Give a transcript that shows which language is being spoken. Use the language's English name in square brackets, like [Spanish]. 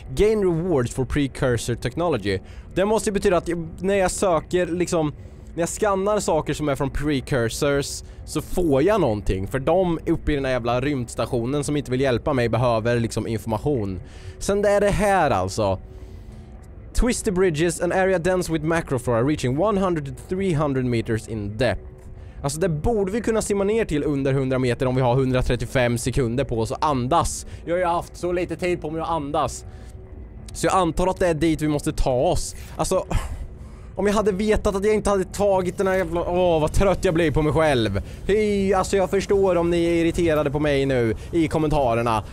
[English] Gain rewards for precursor technology. [Swedish] Det måste ju betyda att när jag söker liksom, när jag skannar saker som är från precursors, så får jag någonting. För de uppe i den här jävla rymdstationen som inte vill hjälpa mig behöver liksom information. Sen det är det här alltså. [English] Twist the bridges, an area dense with macrophora reaching 100-300 meters in depth. [Swedish] Alltså det borde vi kunna simma ner till under 100 meter om vi har 135 sekunder på oss att andas. Jag har ju haft så lite tid på mig att andas. Så jag antar att det är dit vi måste ta oss. Alltså, om jag hade vetat att jag inte hade tagit den här jävla... Åh, vad trött jag blir på mig själv. Hej, alltså jag förstår om ni är irriterade på mig nu i kommentarerna.